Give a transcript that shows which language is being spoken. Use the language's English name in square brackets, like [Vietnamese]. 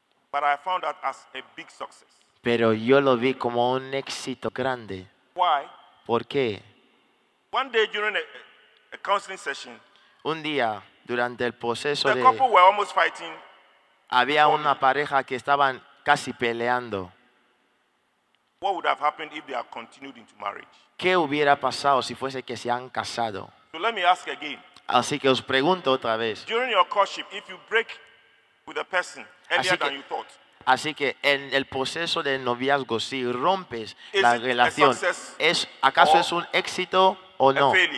[English] But I found that as a big success. [Spanish] Pero yo lo vi como un éxito grande. [English] Why? [Spanish] ¿Por qué? [English] One day during a counseling session, [Spanish] un día durante el proceso [English] the couple were almost fighting. [Spanish] Había una pareja que estaban casi peleando. [English] What would have happened if they had continued into marriage? [Spanish] ¿Qué hubiera pasado si fuese que se han casado? [English] So let me ask again. [Spanish] Así que os pregunto otra vez. [English] During your courtship, if you break with a person [Spanish] así que en el proceso de noviazgo, si rompes la relación, ¿es acaso es un éxito o no?